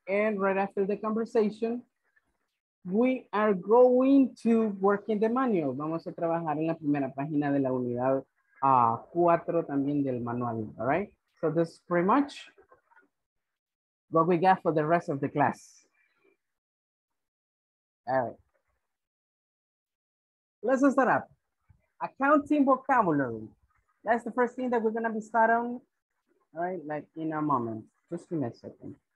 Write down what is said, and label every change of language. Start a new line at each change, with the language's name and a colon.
English: And right after the conversation, we are going to work in the manual.
Spanish: Vamos a trabajar en la primera página de la unidad 4 también del manual,
English: all right? So that's pretty much what we got for the rest of the class. All right. Let's start up. Accounting vocabulary. That's the first thing that we're gonna be starting. All right, like in a moment. Just give me a second.